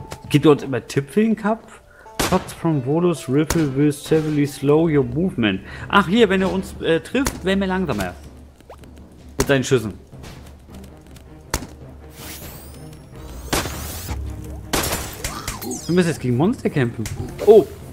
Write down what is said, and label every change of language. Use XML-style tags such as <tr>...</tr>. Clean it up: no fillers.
<de>Gibt uns immer Tipp für den Kampf?</de> <en>Shots from Volus Ripple will severely slow your movement.</en> <de>Ach hier, wenn er uns trifft, werden wir langsamer. Mit seinen Schüssen. Wir müssen jetzt gegen Monster kämpfen. Oh!</de>